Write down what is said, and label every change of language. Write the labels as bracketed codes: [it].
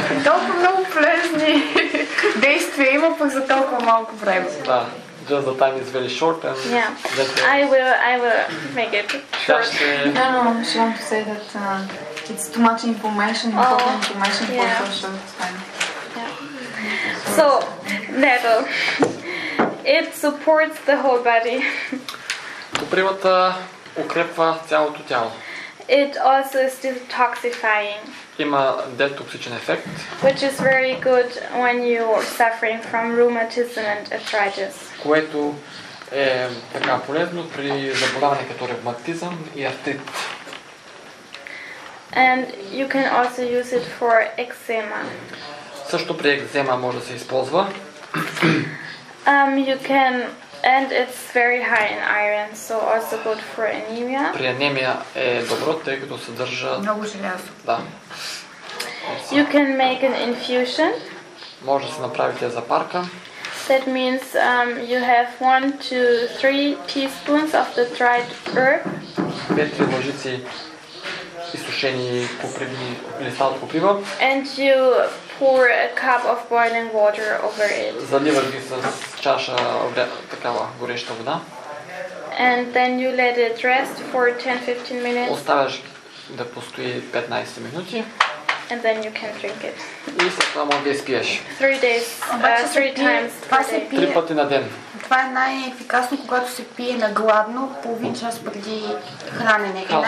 [bg] Толкова много полезни действия има пък за толкова малко време. [en] Да, just the time is very short and... Yeah, I will make it short. No, no, she wants to say that it's too much information, for a short time. So, nettle. It supports the whole body. [bg] Копривата укрепва цялото тяло. [en] It also is detoxifying. [bg] Има детоксичен ефект. [en] Which is very good when you are suffering from rheumatism and arthritis. [bg] Което е така полезно при заболяване като ревматизъм и артрит. [en] And you can also use it for eczema. [bg] Също при екзема може да се използва. [en] You can And it's very high in iron, so also good for anemia. [bg] При анемия е добро, тъй като съдържа... Много желязо. Да. [en] You can make an infusion. [bg] Може да се направи тя за парка. [en] That means you have 1-3 teaspoons of the dried herb. [bg] 5-3 ложици изсушени купривни листа от куприва. [en] And you pour a cup of boiling water over it. [bg] Заливаш ги с чаша такава гореща вода. [en] And then you let it rest for 10-15 minutes. [bg] Оставяш да постои 15 минути. [en] And then you can drink it. [bg] И след това може да изпиеш. [en] 3 days. 3 times. [bg] Три пъти на ден. Това е най-ефикасно, когато се пие на гладно, половин час преди хранене.